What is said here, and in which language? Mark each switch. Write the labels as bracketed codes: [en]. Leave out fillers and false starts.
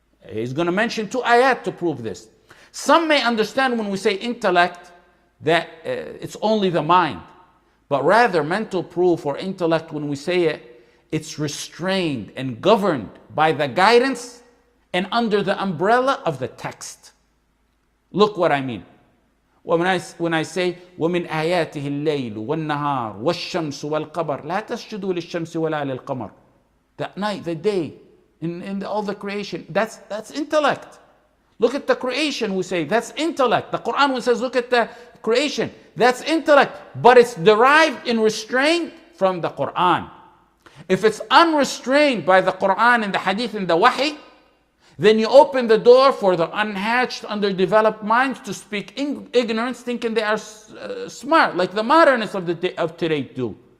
[en] He's going to mention two ayat to prove this. Some may understand when we say intellect that it's only the mind. But rather, mental proof or intellect, when we say it, it's restrained and governed by the guidance and under the umbrella of the text. Look what I mean. When I say, [ar] وَمِنْ آيَاتِهِ اللَّيْلُ وَالنَّهَارُ وَالشَّمْسُ وَالْقَبَرُ لَا تَسْجُدُوا لِلشَّمْسِ وَلَا لِلْقَمَرُ. [en] That night, the day, in all the creation, that's intellect. Look at the creation, we say, that's intellect. The Quran says, look at the creation. That's intellect, but it's derived in restraint from the Quran. If it's unrestrained by the Quran and the hadith and the wahi, then you open the door for the unhatched, underdeveloped minds to speak ignorance, thinking they are smart, like the modernists of the day, of today do.